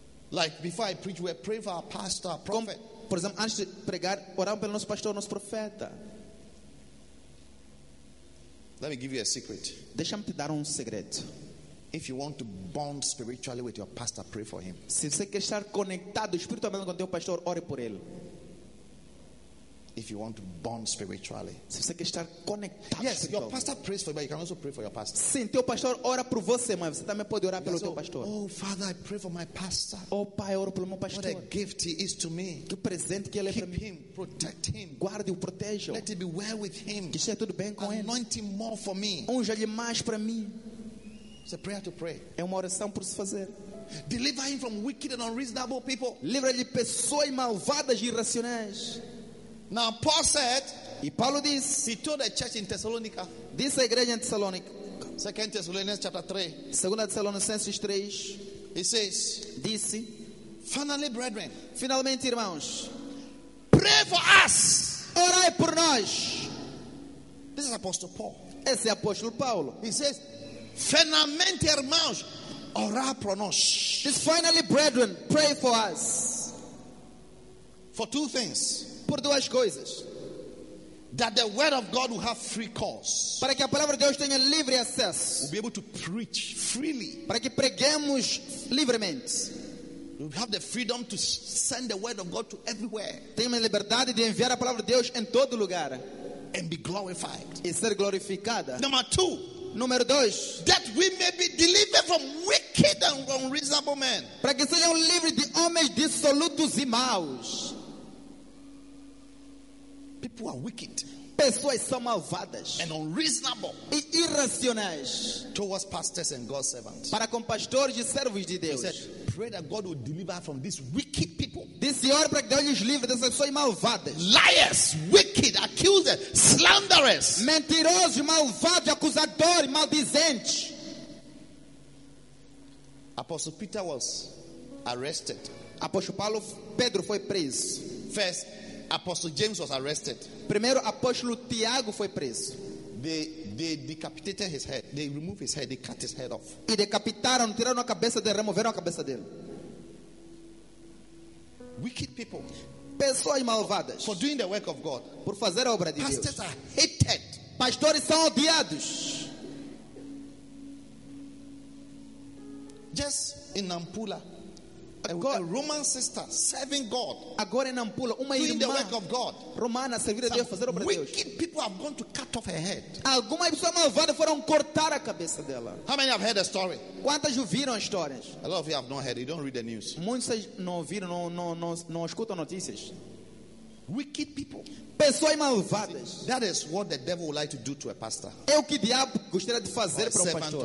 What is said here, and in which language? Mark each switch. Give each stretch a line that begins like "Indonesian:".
English: Like before I preach, we pray for our pastor, our prophet.
Portuguese: Por exemplo, antes de pregar, orar pelo nosso pastor, nosso profeta.
English: Let me give you a secret.
Portuguese: Deixa-me te dar um segredo.
English: If you want to bond spiritually with your pastor, pray for him.
Portuguese: Se você quer estar conectado espiritualmente com teu pastor, ore por ele.
English: If you want to bond spiritually.
Portuguese: Se você quer estar conectado.
English: Yes, your pastor prays for you, but you can also pray for your pastor.
Portuguese: Sim, teu pastor ora por você, mas você também pode orar pelo teu pastor.
English: Oh, Father, I pray for my pastor.
Portuguese: Oh, Pai, oro pelo meu pastor.
English: What a gift he is to me.
Portuguese: Que presente que ele
English: keep
Portuguese: é para mim.
English: Him, protect him.
Portuguese: Guarde-o, proteja-o.
English: Let it be well with him.
Portuguese: Que seja tudo bem com
English: anoint
Portuguese: ele.
English: Anoint him more for me.
Portuguese: Unja-lhe mais para mim.
English: It's a prayer to pray.
Portuguese: É uma oração por se fazer.
English: Deliver him from wicked and unreasonable people.
Portuguese: Livra-lhe pessoas malvadas e irracionais.
English: Now Paul said,
Portuguese: e Paulo diz,
English: he told the church in Thessalonica.
Portuguese: Disse a igreja em Tessalônica.
English: 2 Thessalonians chapter 3.
Portuguese: Segunda Tessalonicenses 3.
English: He says,
Portuguese: disse,
English: finally brethren,
Portuguese: finalmente irmãos,
English: pray for us.
Portuguese: Orai por nós.
English: This is Apostle Paul.
Portuguese: Esse é Apóstolo Paulo.
English: He says,
Portuguese: finalmente irmãos, orai por nós.
English: This finally brethren, pray for us. For two things.
Portuguese: Por duas coisas.
English: That the word of God will have free course.
Portuguese: Para que a palavra de Deus tenha livre acesso.
English: We'll be able to preach freely.
Portuguese: Para que preguemos livremente.
English: We have the freedom to send the word of God to everywhere.
Portuguese: Temos a liberdade de enviar a palavra de Deus em todo lugar.
English: And be glorified.
Portuguese: E ser glorificada.
English: Number two.
Portuguese: Número dois.
English: That we may be delivered from wicked and unreasonable men.
Portuguese: Para que sejam livres de homens dissolutos e maus.
English: People are wicked.
Portuguese: Pessoas são malvadas.
English: And unreasonable.
Portuguese: E irracionais.
English: Towards pastors and God's servants.
Portuguese: Para com pastores e servos de Deus.
English: He said, pray that God will deliver from these wicked people.
Portuguese: Disse ore para que Deus lhes livre dessas pessoas malvadas.
English: Liars, wicked, accusers, slanderers.
Portuguese: Mentirosos, malvados, acusadores, maldizentes.
English: Apostle Peter was arrested.
Portuguese: Apóstolo Paulo, Pedro foi preso.
English: First, Apostle James was arrested.
Portuguese: Primeiro, Apóstolo Tiago foi preso.
English: They decapitated his head. They removed his head. They cut his head off.
Portuguese: E decapitaram, tiraram a cabeça dele, removeram a cabeça dele.
English: Wicked people.
Portuguese: Pessoas malvadas.
English: For doing the work of God.
Portuguese: Por fazer a obra de
English: Pastors
Portuguese: Deus.
English: Pastors are hated.
Portuguese: Pastores são odiados.
English: Just in Nampula. A Roman sister serving God.
Portuguese: Agora em Nampula, uma
English: doing the work of God.
Portuguese: Romana servir a Deus, fazer obra de Deus.
English: Wicked people have gone to cut off her head.
Portuguese: Algumas pessoas malvadas foram cortar a cabeça dela.
English: How many have heard a story?
Portuguese: Quantas ouviram histórias?
English: A lot of you have not heard. You don't read the news.
Portuguese: Muitos não ouviram, não escutam notícias.
English: Wicked people.
Portuguese: Pessoas malvadas.
English: That is what the devil would like to do to a pastor.
Portuguese: É o que diabo gostaria de fazer para um pastor.